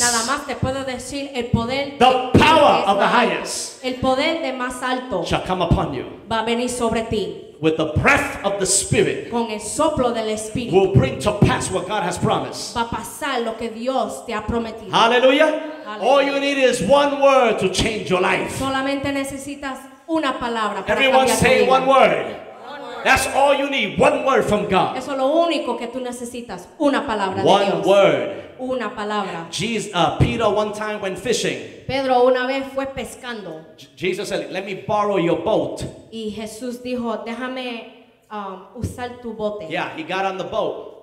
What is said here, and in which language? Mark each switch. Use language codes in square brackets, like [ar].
[es] Nada más te puedo decir el poder. [en] The power of the highest. [es] El poder de más alto. [en] Shall come upon you. [es] Va a venir sobre ti. [en] With the breath of the Spirit. [es] Con el soplo del Espíritu. [en] Will bring to pass what God has promised. [es] Va a pasar lo que Dios te ha prometido. [en] Hallelujah. Hallelujah. All you need is one word to change your life. [es] Solamente necesitas una palabra para cambiar tu vida. [en] Everyone say one word. That's all you need, one word from God. [es] Eso es lo único que tú necesitas, una palabra de Dios. [en] One word. [es] Una palabra. [en] Peter one time went fishing. [es] Pedro una vez fue pescando. [en] Jesus said, "Let me borrow your boat." [es] Y Jesús dijo, "Déjame usar tu bote. [en] Yeah, he got on the boat.